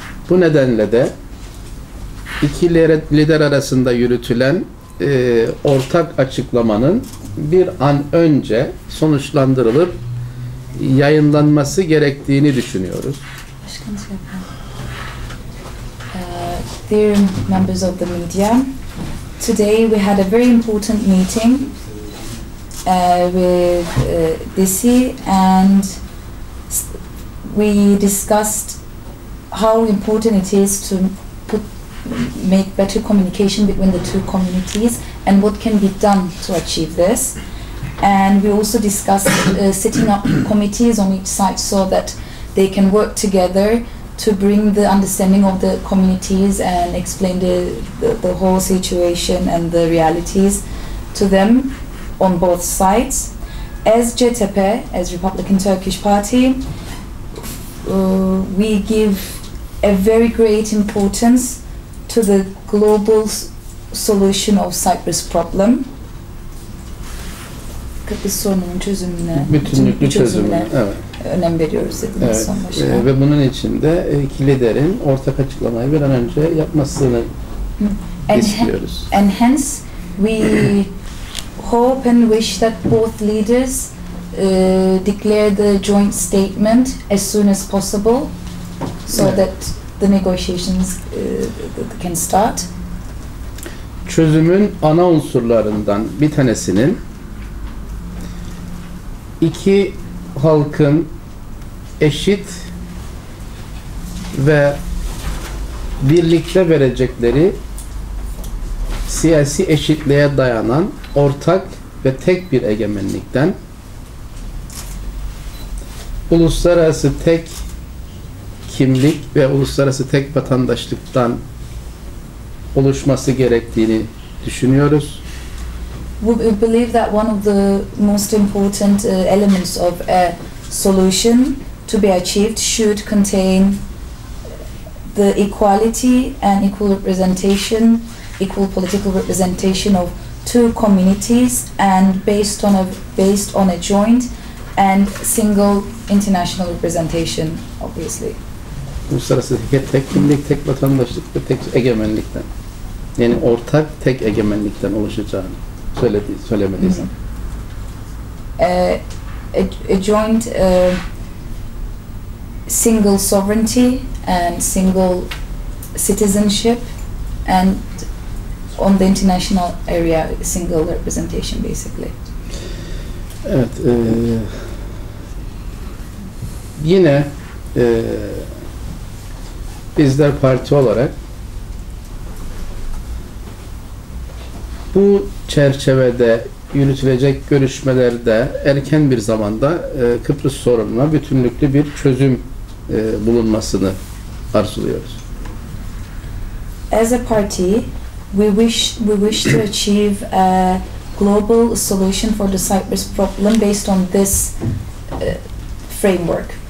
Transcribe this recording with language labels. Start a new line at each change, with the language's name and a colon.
Turkish: Bu nedenle de iki lider arasında yürütülen ortak açıklamanın bir an önce sonuçlandırılıp yayınlanması gerektiğini düşünüyoruz.
English: Dear members of the media, today we had a very important meeting with Disi, and we discussed how important it is to make better communication between the two communities and what can be done to achieve this. And we also discussed setting up committees on each side so that they can work together to bring the understanding of the communities and explain the whole situation and the realities to them on both sides. As CTP, as Republican Turkish Party, we give a very great importance to the global solution of Cyprus problem.
Turkish: Kıbrıs sorununun çözümüne, bütünlüklü çözümüne. Evet. Önem veriyoruz dediğimiz evet. Son başına. Ve bunun için de iki liderin ortak açıklamayı bir an önce yapmasını istiyoruz.
English: And hence we hope and wish that both leaders declare the joint statement as soon as possible so
Turkish: evet.
English: That the negotiations can start.
Turkish: Çözümün ana unsurlarından bir tanesinin iki halkın eşit ve birlikte verecekleri siyasi eşitliğe dayanan ortak ve tek bir egemenlikten, uluslararası tek kimlik ve uluslararası tek vatandaşlıktan oluşması gerektiğini düşünüyoruz.
English: We believe that one of the most important elements of a solution to be achieved should contain the equality and equal representation, equal political representation of two communities, and based on a joint and single international representation, obviously.
Turkish: Uluslararası tek kimlik, tek vatandaşlık ve tek egemenlikten, yani ortak tek egemenlikten oluşacağını söylemediysen.
English: A joint single sovereignty and single citizenship and on the international area single representation basically.
Turkish: Evet. Yine bizler parti olarak bu çerçevede yürütülecek görüşmelerde erken bir zamanda Kıbrıs sorununa bütünlüklü bir çözüm bulunmasını arzuluyoruz.
English: As a party, we wish to achieve a global solution for the Cyprus problem based on this framework.